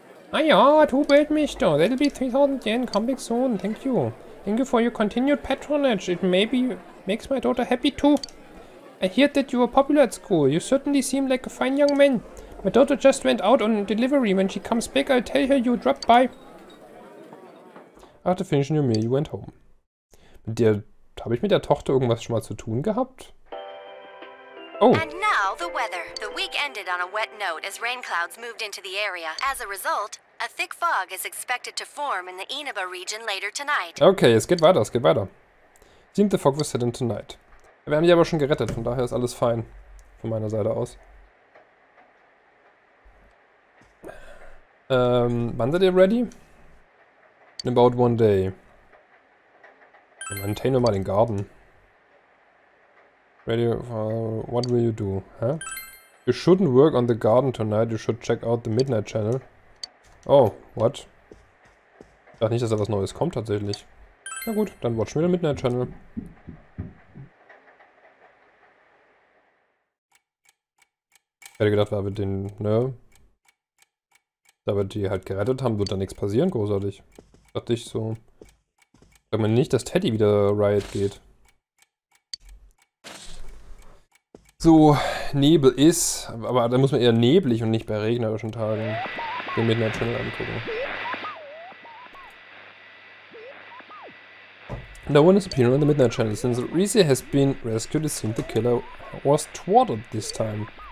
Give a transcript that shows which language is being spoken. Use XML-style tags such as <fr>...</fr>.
<de>Ah ja, du bist mich da.</de> <en>That'll be 3000 yen. Come back soon. Thank you. Thank you for your continued patronage. It maybe makes my daughter happy too. I hear that you are popular at school. You certainly seem like a fine young man. My daughter just went out on delivery. When she comes back, I'll tell her you dropped by. After finishing your meal, you went home.</en> <de>Mit der habe ich mit der Tochter irgendwas schon mal zu tun gehabt? Oh.</de> <en>And now the weather. The week ended on a wet note as rain clouds moved into the area. As a result, a thick fog is expected to form in the Inaba region later tonight.</en> <de>Okay, es geht weiter, es geht weiter.</de> <en>Seemed the fog was set in tonight.</en> <de>Wir haben die aber schon gerettet, von daher ist alles fein. Von meiner Seite aus. Wann seid ihr</de> <en>ready? In about one day. Maintain</en> <de>nur mal den Garten.</de> <en>Ready, what will you do? Huh? You shouldn't work on the garden tonight, you should check out the Midnight Channel. Oh, what?</en> <de>Ich dachte nicht, dass da was Neues kommt tatsächlich. Na gut, dann watch mir den Midnight Channel. Ich hätte gedacht, weil wir den, ne? Da wir die halt gerettet haben, wird da nichts passieren, großartig. Dachte ich so. Sag mal nicht, dass Teddy wieder Riot geht. So, Nebel ist, aber da muss man eher neblig und nicht bei regnerischen Tagen den Midnight Channel angucken.</de> <en>No one is appearing on the Midnight Channel. Since Reese has been rescued, it seems the killer was thwarted this time.</en>